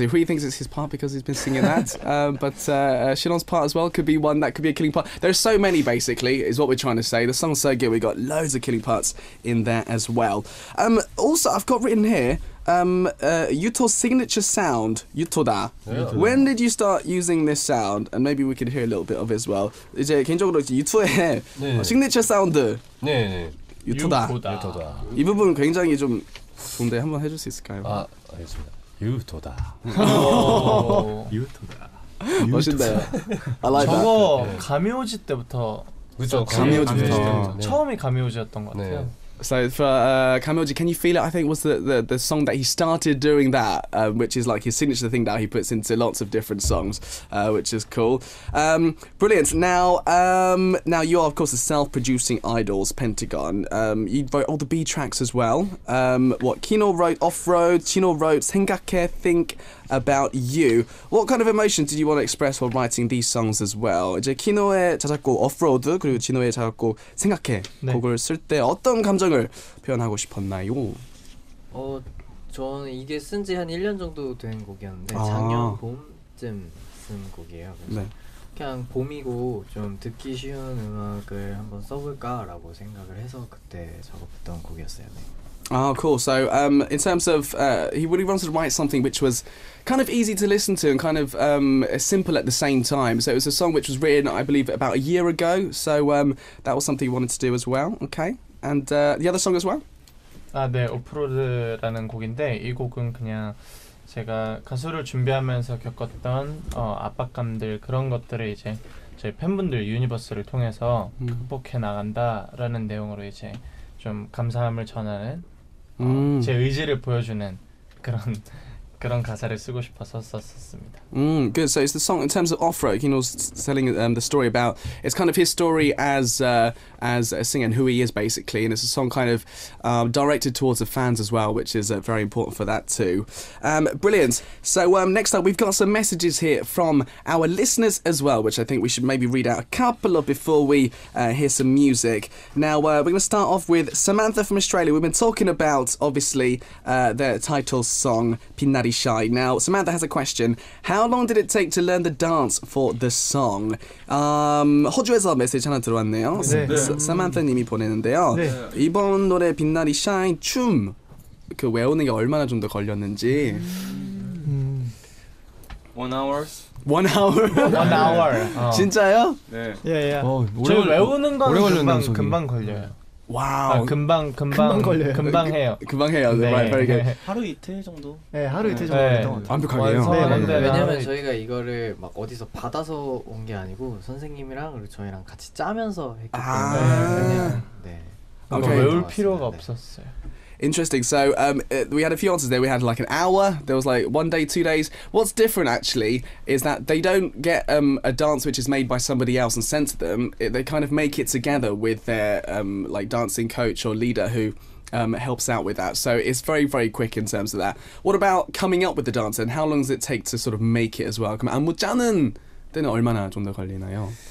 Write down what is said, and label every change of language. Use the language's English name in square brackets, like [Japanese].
[English] Hui thinks it's his part because he's been singing that. but Shinon's part as well could be one that could be a killing part. There are so many. Basically, is what we're trying to say. The song's so good. We got loads of killing parts in there as well. Also, I've got written here. Yuto's signature sound, Yuto-da. Yeah. When did you start using this sound? And maybe we could hear a little bit of it as well. [Korean] 이제 개인적으로 유토의 네. [English] signature sound. [Korean] 네. 유토다. 유토다. 이 부분 굉장히 좀 좋은데 한번 해줄 수 있을까요? 아, 알겠습니다. 유토다. 유토다. 멋있네요. [English] I like [Korean] 저거 [English] that. [Korean] 저거 가미오지 때부터. 그쵸, 가미오지 때부터. 네. 처음이 가미오지였던 것 같아요. 네. [English] So for Kamioji, can you feel it? I think was the song that he started doing that, which is like his signature thing that he puts into lots of different songs, which is cool. Brilliant. Now, now you are of course a self-producing idols, Pentagon. You wrote all the B tracks as well. What Kino wrote, Off Road. Kino wrote, 생각해, Think About You. What kind of emotions did you want to express while writing these songs as well? [Korean] 이제 Kino의 자작곡 Off Road 그리고 Kino의 자작곡 생각해 네. 곡을 쓸 때 어떤 감 감정을 표현하고 싶었나요? 저는 이게 쓴 지 한 1년 정도 된 곡이었는데 아. 작년 봄쯤 쓴 곡이에요. 그래서 네. 그냥 봄이고 좀 듣기 쉬운 음악을 한번 써볼까라고 생각을 해서 그때 작업했던 곡이었어요. 네. [English] Oh, cool. So, in terms of, he really wanted to write something which was kind of easy to listen to and kind of simple at the same time. So it was a song which was written, I believe, about a year ago. So that was something he wanted to do as well. Okay. And the other song as well? [Korean] 아, 네, Offroad라는 곡인데 이 곡은 그냥 제가 가수를 준비하면서 겪었던 압박감들 그런 것들을 이제 저희 팬분들 유니버스를 통해서 극복해 나간다라는 내용으로 이제 좀 감사함을 전하는 제 의지를 보여주는 그런 그런 가사를 쓰고 싶어서 썼었습니다. [English] Good. So it's the song in terms of Off Road. He was telling the story about it's kind of his story as a singer and who he is basically. And it's a song kind of directed towards the fans as well, which is very important for that too. Brilliant. So next up, we've got some messages here from our listeners as well, which I think we should maybe read out a couple of before we hear some music. Now we're going to start off with Samantha from Australia. We've been talking about obviously their title song Pinna. Shy. Now, Samantha has a question. How long did it take to learn the dance for the song? [Korean] 호주에서 메시지 하나 들어왔네요. 네. 네. Samantha님이 보내는데요. 네. 이번 노래 빛나리 샤인 춤 그 외우는 게 얼마나 좀 더 걸렸는지. [English] One hour. [Korean] 진짜요? 네. 예예. 저 외우는 건 금방 걸려요. 와우. 금방 해요. 금방 해요. 네. 하루 이틀 정도? 네, 하루 이틀 정도 했던 것 같아요. 완벽하게요. 네, 완벽하게. 왜냐면 저희가 이거를 막 어디서 받아서 온 게 아니고 선생님이랑 그리고 저희랑 같이 짜면서 했기 때문에. 아. 네. 네. 외울 필요가 없었어요. [English] Interesting. So we had a few answers there. We had like an hour. There was like one day, 2 days. What's different actually is that they don't get a dance which is made by somebody else and sent to them. They kind of make it together with their like dancing coach or leader who helps out with that. So it's very, very quick in terms of that. What about coming up with the dance and how long does it take to sort of make it as well? [Korean] 안무 짜는 데는 얼마나 좀 더 걸리나요?